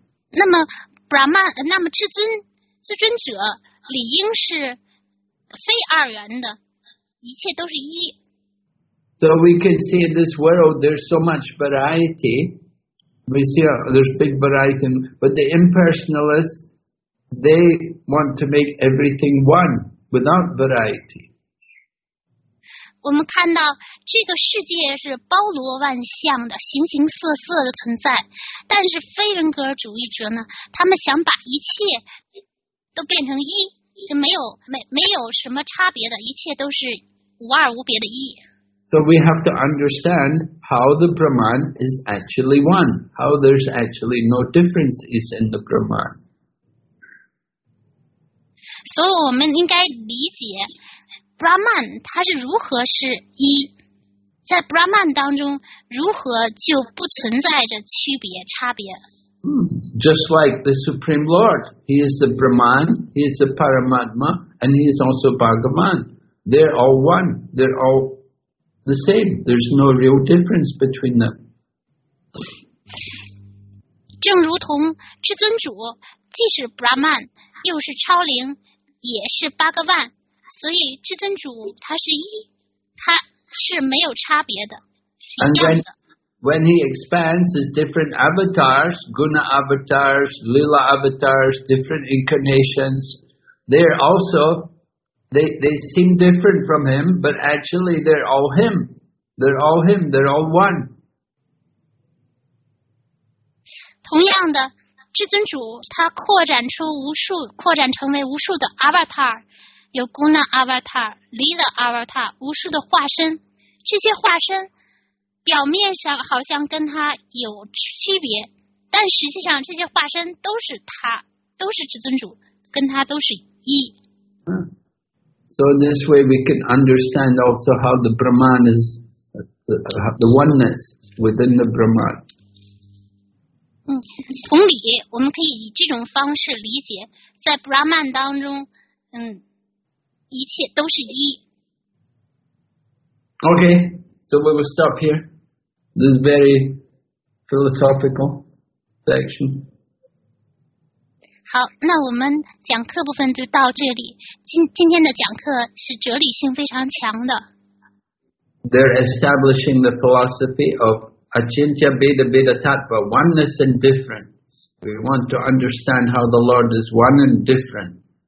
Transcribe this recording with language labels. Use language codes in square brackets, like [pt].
[zh] 那么 Brahman, 那么至尊者理应是非二元的，一切都是一。 [en] So we can see in this world there's so much variety. We see there's big variety, but the impersonalists, they want to make everything one. Without variety. [zh] 我们看到这个世界是包罗万象的，形形色色的存在。但是非人格主义者呢，他们想把一切都变成一，就没有什么差别的，一切都是无二无别的一。 [en] So we have to understand how the Brahman is actually one, how there's actually no difference is in the Brahman. [zh] 所以我们应该理解 Brahman 他是如何是一，在 Brahman 当中如何就不存在着区别差别。 [en] Just like the Supreme Lord, he is the Brahman, he is the Paramatma, and he is also Bhagavan. They're all one, they're all the same. There's no real difference between them. [zh] 正如同至尊主，既是 Brahman 又是超灵。也是八个万，所以至尊主他是一，他是没有差别的。 [en] And when he expands his different avatars, guna avatars, lila avatars, different incarnations, they're also they seem different from him, but actually they're all him. They're all him. They're all one. [zh] 同样的，至尊主他扩展出无数，扩展成为无数的 avatar， 有 guna avatar， lila avatar， 无数的化身。这些化身表面上好像跟他有区别，但实际上这些化身都是他，都是至尊主，跟他都是一。 [en] So this way we can understand also how the Brahman is the oneness within the Brahman. [zh] 嗯，同理，我们可以以这种方式理解，在 Brahman 当中，嗯，一切都是一。 [en] Okay, so we will stop here. This is very philosophical section. [zh] 好，那我们讲课部分就到这里。今天的讲课是哲理性非常强的。 [en] They're establishing the philosophy of Achintya Bheda Bheda Tattva, oneness and difference. We want to understand how the Lord is one and different.